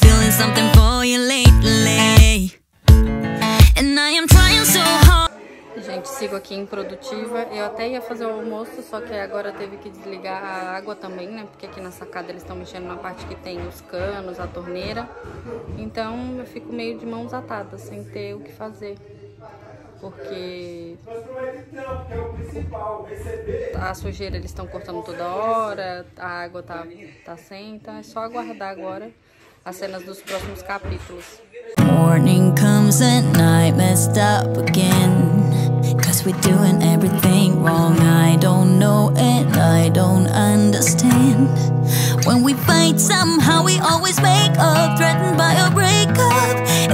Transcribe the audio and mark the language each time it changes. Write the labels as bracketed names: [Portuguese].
[English] something for you lately. And I am trying so hard. [Portuguese] Gente, sigo aqui improdutiva. Eu até ia fazer o almoço, só que agora teve que desligar a água também, né? Porque aqui na sacada eles estão mexendo na parte que tem os canos, a torneira. Então eu fico meio de mãos atadas, sem ter o que fazer. Porque a sujeira eles estão cortando toda hora, a água tá sem, então é só aguardar agora as cenas dos próximos capítulos. [English] Morning comes at night, messed up again. Cause we're doing everything wrong. I don't know and I don't understand. When we fight somehow we always make up, threatened by a breakup.